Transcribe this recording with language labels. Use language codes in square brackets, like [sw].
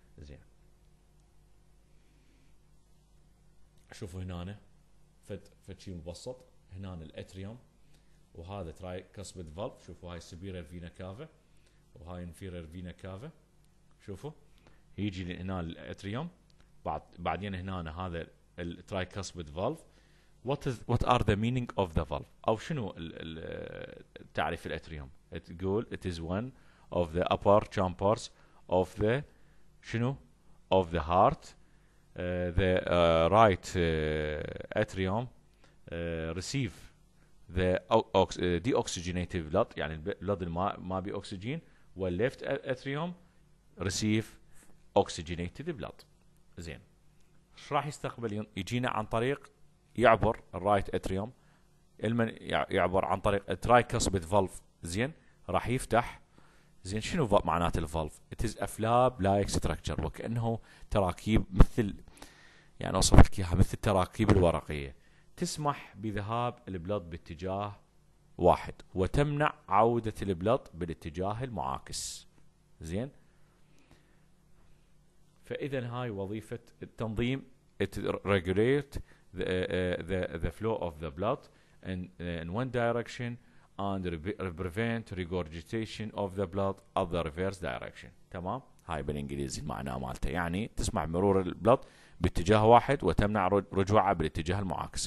[ar] زين شوفوا هنا فد شيء مبسط هنا الاتريوم وهذا تراي كاسبيد فالف، شوفوا هاي سوبيريور فينا كافا وهاي انفيرير فينا كافا، شوفوا يجي هنا الاتريوم بعدين هنا هذا التراي كاسبيد فالف. [en] What are the meaning of the valve؟ [ar] أو شنو التعريف الأتريوم؟ تقول [en] it is one of the upper chambers of the شنو of the heart. The right atrium receive the deoxygenated blood، [ar] يعني blood ما بي أكسجين، [en] والleft atrium receive oxygenated blood. [ar] زين إيش راح يستقبل؟ يجينا عن طريق يعبر الرايت اتريوم المن يعبر عن طريق الترايكسبيد فالف. زين راح يفتح. زين شنو معنات الفالف؟ [en] it is a flap like structure, [ar] وكانه تراكيب مثل يعني اوصف لك اياها مثل التراكيب الورقيه، تسمح بذهاب البلط باتجاه واحد وتمنع عوده البلط بالاتجاه المعاكس. زين فاذا هاي وظيفه التنظيم، [en] Regulate the flow of the blood in one direction and prevent regurgitation of the blood at the reverse direction. [ar] تمام، هاي بالانجليزي المعنى مالته، يعني تسمع مرور البلط باتجاه واحد وتمنع رجوعه بالاتجاه المعاكس.